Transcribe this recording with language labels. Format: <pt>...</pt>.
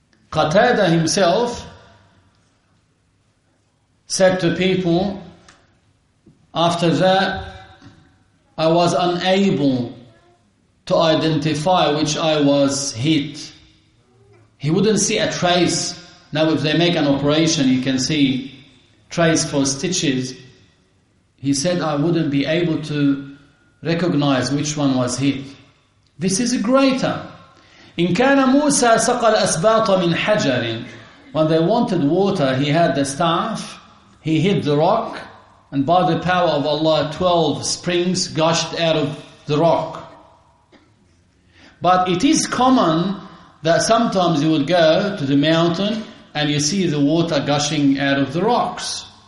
<en>Qatada himself said to people, after that, I was unable to identify which eye was hit. He wouldn't see a trace. Now if they make an operation, you can see trace for stitches. He said, I wouldn't be able to recognize which one was hit. This is greater.</en> <ar>إن كان موسى سقى الأسباط من حجر.</ar> <en>When they wanted water, he had the staff. He hit the rock, and by the power of Allah, 12 springs gushed out of the rock. But it is common that sometimes you would go to the mountain and you see the water gushing out of the rocks.</en>